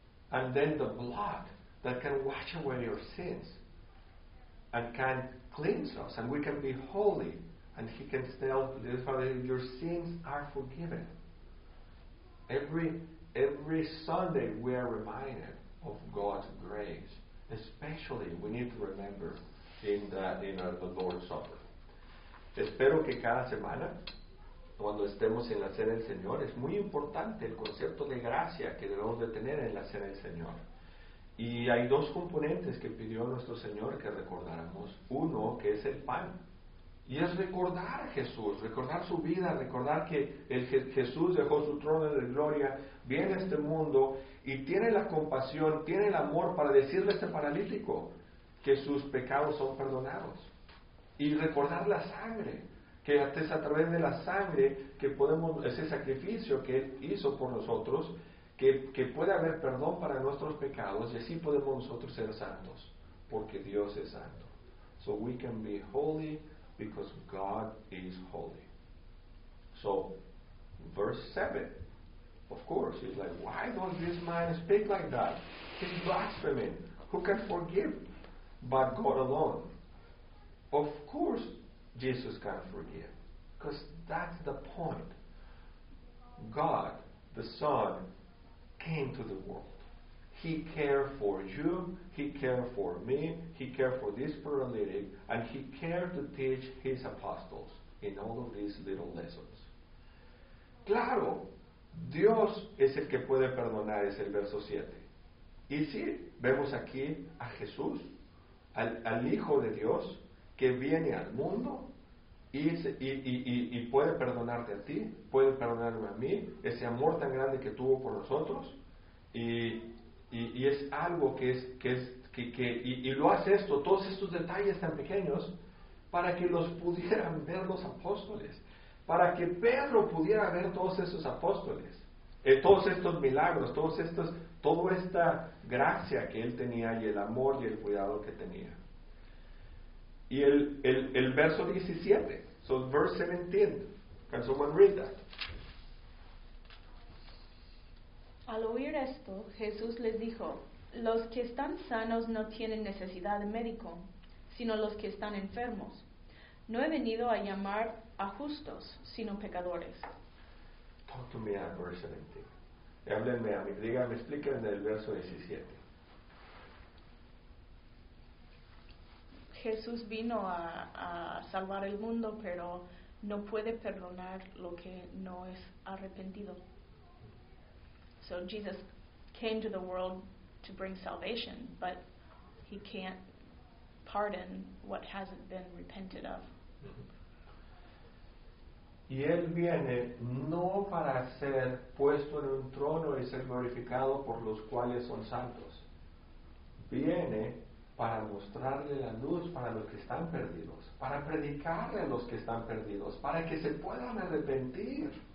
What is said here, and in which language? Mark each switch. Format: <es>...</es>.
<en>And then the blood that can wash away your sins and can cleanse us, and we can be holy. And he can tell this paralytic, your sins are forgiven. Every Sunday we are reminded of God's grace. Especially we need to remember in the Lord's Supper.</en> <es>Espero que cada semana, cuando estemos en la cena del Señor, es muy importante el concepto de gracia que debemos de tener en la cena del Señor. Y hay dos componentes que pidió nuestro Señor que recordáramos. Uno, que es el pan. Y es recordar a Jesús, recordar su vida, recordar que Jesús dejó su trono de gloria, viene a este mundo y tiene la compasión, tiene el amor para decirle a este paralítico que sus pecados son perdonados. Y recordar la sangre, que es a través de la sangre que podemos, ese sacrificio que Él hizo por nosotros, que puede haber perdón para nuestros pecados, y así podemos nosotros ser santos, porque Dios es santo.</es> <en>So we can be holy because God is holy. So, verse 7, of course, he's like, why does this man speak like that? He's blaspheming. Who can forgive but God alone? Of course, Jesus can forgive, because that's the point. God, the Son, came to the world. He cared for you, he cared for me, he cared for this paralytic, and he cared to teach his apostles in all of these little lessons.</en> <es>Claro, Dios es el que puede perdonar, es el verso 7. Y sí, vemos aquí a Jesús, al Hijo de Dios, que viene al mundo y puede perdonarte a ti, puede perdonarme a mí, ese amor tan grande que tuvo por nosotros, y es algo que lo hace esto, todos estos detalles tan pequeños, para que los pudieran ver los apóstoles, para que Pedro pudiera ver todos esos apóstoles, todos estos milagros, toda esta gracia que él tenía y el amor y el cuidado que tenía. Y el verso 17,</es> <en>so verse 17, can someone read that?</en> <es>Al oír esto, Jesús les dijo, los que están sanos no tienen necesidad de médico, sino los que están enfermos. No he venido a llamar a justos, sino pecadores.</es> <en>Talk to me at verse 17.</en> <es>Háblenme a mí, díganme, explíquenme el verso 17. Jesús vino a salvar el mundo, pero no puede perdonar lo que no es arrepentido.</es> <en>So Jesus came to the world to bring salvation, but he can't pardon what hasn't been repented of.</en> <es>Y él viene no para ser puesto en un trono y ser glorificado por los cuales son santos. Viene para mostrarle la luz para los que están perdidos, para predicarle a los que están perdidos, para que se puedan arrepentir.</es>